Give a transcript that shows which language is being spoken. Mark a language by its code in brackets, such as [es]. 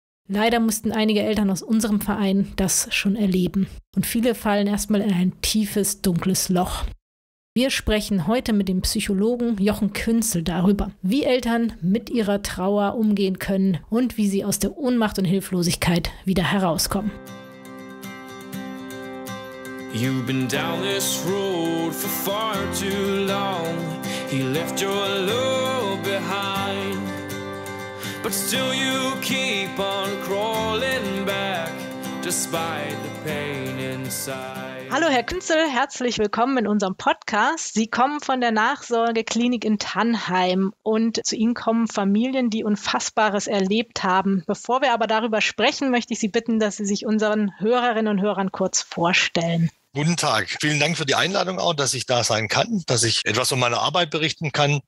[de] Leider mussten einige Eltern aus unserem Verein das schon erleben. Und viele fallen erstmal in ein tiefes, dunkles Loch. Wir sprechen heute mit dem Psychologen Jochen Künzel darüber, wie Eltern mit ihrer Trauer umgehen können und wie sie aus der Ohnmacht und Hilflosigkeit wieder herauskommen. [en] You've been down this road for far too long. He left your love behind. But still you keep on crawling back, despite the pain inside. [de] Hallo Herr Künzel, herzlich willkommen in unserem Podcast. Sie kommen von der Nachsorgeklinik in Tannheim und zu Ihnen kommen Familien, die Unfassbares erlebt haben. Bevor wir aber darüber sprechen, möchte ich Sie bitten, dass Sie sich unseren Hörerinnen und Hörern kurz vorstellen. Guten Tag. Vielen Dank für die Einladung auch, dass ich da sein kann, dass ich etwas von meiner Arbeit berichten kann.